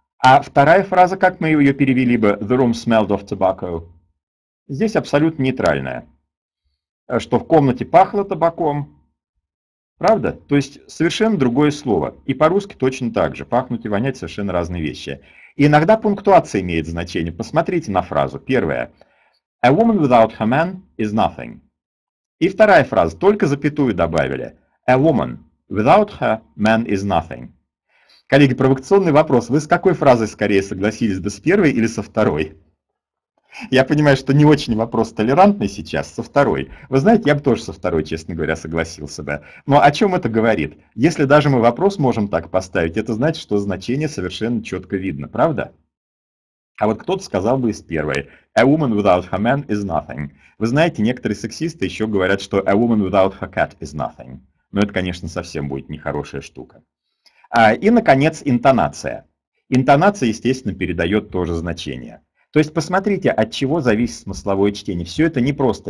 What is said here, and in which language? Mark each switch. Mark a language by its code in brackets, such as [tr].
[ru] А вторая фраза, как мы ее перевели бы, [en] «the room smelled of tobacco», [ru] здесь абсолютно нейтральная. Что в комнате пахло табаком, правда? То есть совершенно другое слово. И по-русски точно так же. Пахнуть и вонять совершенно разные вещи. И иногда пунктуация имеет значение. Посмотрите на фразу. Первая. [en] A woman without her man is nothing. [ru] И вторая фраза. Только запятую добавили. [en] A woman without her man is nothing. [ru] Коллеги, провокационный вопрос. Вы с какой фразой скорее согласились бы, с первой или со второй? Я понимаю, что не очень вопрос толерантный сейчас, со второй. Вы знаете, я бы тоже со второй, честно говоря, согласился бы. Но о чем это говорит? Если даже мы вопрос можем так поставить, это значит, что значение совершенно четко видно, правда? А вот кто-то сказал бы из первой. [en] A woman without her man is nothing. [ru] Вы знаете, некоторые сексисты еще говорят, что [en] a woman without her cat is nothing. [ru] Но это, конечно, совсем будет нехорошая штука. И, наконец, интонация. Интонация, естественно, передает тоже значение. То есть посмотрите, от чего зависит смысловое чтение. Все это непросто.